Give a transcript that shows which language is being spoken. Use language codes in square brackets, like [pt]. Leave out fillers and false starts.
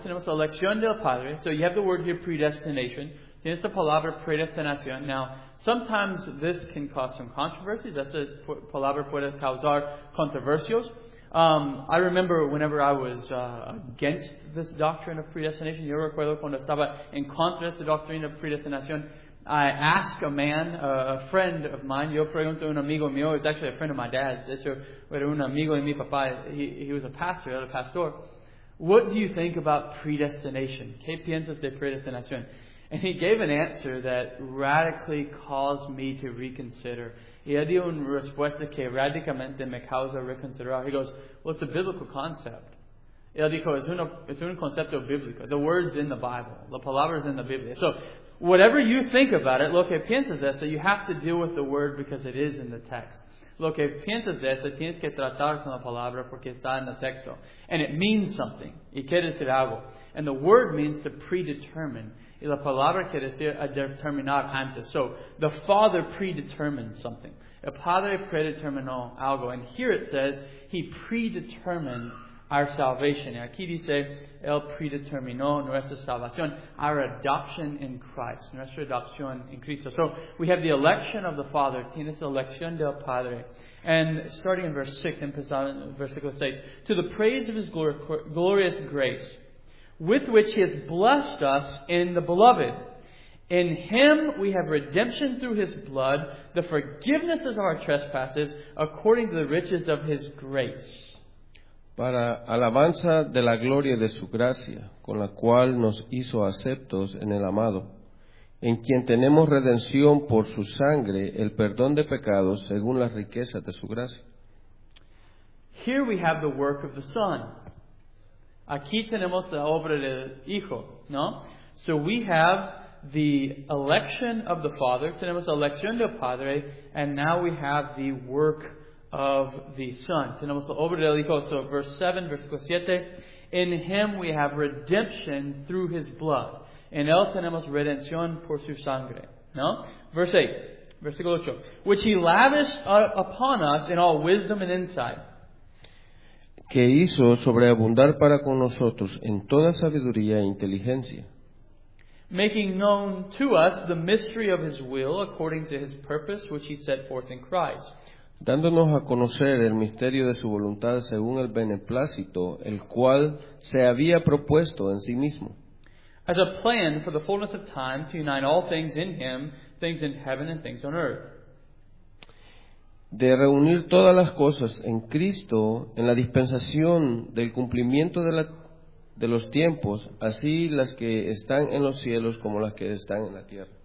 [es] Tenemos la elección del Padre. [en] So you have the word here, predestination. [es] Tienes la palabra predestinación. [en] Now, sometimes this can cause some controversies. [es] Esa palabra puede causar controversios. [en] I remember whenever I was against this doctrine of predestination. [es] Yo recuerdo cuando estaba en contra de esta doctrina de predestinación. [en] I asked a man, a friend of mine, [es] yo pregunto a un amigo mío, [en] it's actually a friend of my dad's, [es] de hecho, era un amigo de mi papá, [en] he was a pastor, [es] era pastor, [en] what do you think about predestination? [es] ¿Qué piensas de predestinación? [en] And he gave an answer that radically caused me to reconsider. [es] Y él dio una respuesta que radicalmente me causa reconsiderar. [en] He goes, well, it's a biblical concept. [es] Y él dijo, es un concepto bíblico. [en] The word's in the Bible. La palabra's in the Biblia. So, whatever you think about it, [es] lo que piensas eso, [en] you have to deal with the word because it is in the text. [es] Lo que piensas eso, tienes que tratar con la palabra porque está en el texto. [en] And it means something. [es] Y quiere decir algo. [en] And the word means to predetermine. [es] Y la palabra quiere decir a determinar antes. [en] So, the Father predetermined something. [es] El Padre predeterminó algo. [en] And here it says, He predetermined our salvation. [es] Y aquí dice, Él predeterminó nuestra salvación, [en] our adoption in Christ, [es] nuestra adopción en Cristo. [en] So, we have the election of the Father, [es] tienes la elección del Padre. [en] And starting in verse 6, [es] empezando en versículo 6, [en] to the praise of His glorious grace, with which He has blessed us in the Beloved. In Him we have redemption through His blood, the forgiveness of our trespasses, according to the riches of His grace. [es] Para alabanza de la gloria de su gracia, con la cual nos hizo aceptos en el amado, en quien tenemos redención por su sangre, el perdón de pecados, según las riquezas de su gracia. [en] Here we have the work of the Son. [es] Aquí tenemos la obra del Hijo, ¿no? [en] So we have the election of the Father, [es] tenemos la elección del Padre, [en] and now we have the work of the Son. [es] Tenemos la obra del Hijo. [en] So verse 7, versículo 7. In Him we have redemption through His blood. [es] En Él tenemos redención por su sangre. No? Verse 8, versículo 8. [en] Which He lavished upon us in all wisdom and insight. [es] Que hizo sobreabundar para con nosotros en toda sabiduría e inteligencia. [en] Making known to us the mystery of His will according to His purpose which He set forth in Christ. [es] Dándonos a conocer el misterio de su voluntad según el beneplácito, el cual se había propuesto en sí mismo. [en] As a plan for the fullness of time to unite all things in Him, things in heaven and things on earth. [es] De reunir todas las cosas en Cristo en la dispensación del cumplimiento de los tiempos, así las que están en los cielos como las que están en la tierra.